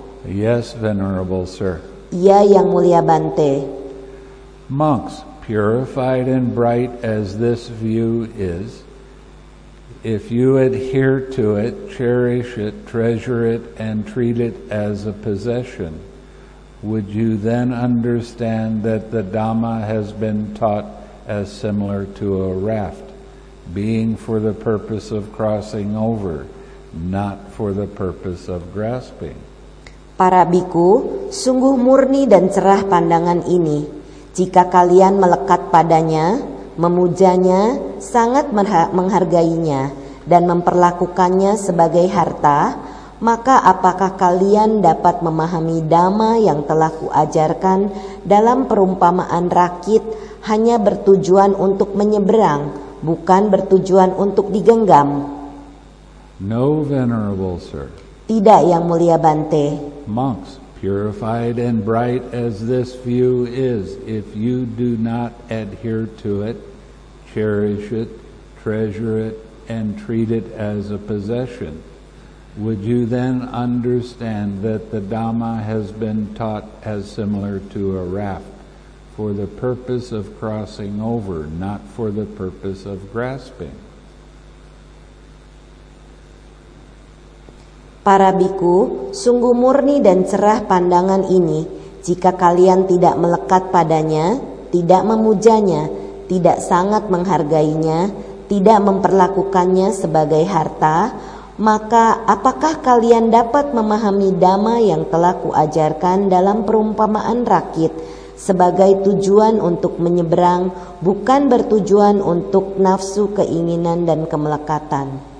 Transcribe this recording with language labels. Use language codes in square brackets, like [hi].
[en] Yes, venerable sir. [id] Ya, Yang Mulia Bante. [en] Monks, purified and bright as this view is, if you adhere to it, cherish it, treasure it, and treat it as a possession, would you then understand that the Dhamma has been taught as similar to a raft, being for the purpose of crossing over, not for the purpose of grasping? [id] Para biku, sungguh murni dan cerah pandangan ini. Jika kalian melekat padanya, memujanya, sangat menghargainya, dan memperlakukannya sebagai harta, maka apakah kalian dapat memahami dhamma yang telah kuajarkan dalam perumpamaan rakit hanya bertujuan untuk menyeberang, bukan bertujuan untuk digenggam? [en] No, venerable sir. [id] Tidak, Yang Mulia Bante. [en] Monks, purified and bright as this view is, if you do not adhere to it, cherish it, treasure it, and treat it as a possession, would you then understand that the Dhamma has been taught as similar to a raft, for the purpose of crossing over, not for the purpose of grasping? [id] Para bhikkhu, sungguh murni dan cerah pandangan ini, jika kalian tidak melekat padanya, tidak memujanya, tidak sangat menghargainya, tidak memperlakukannya sebagai harta, maka apakah kalian dapat memahami dhamma yang telah kuajarkan dalam perumpamaan rakit sebagai tujuan untuk menyeberang, bukan bertujuan untuk nafsu keinginan dan kemelekatan?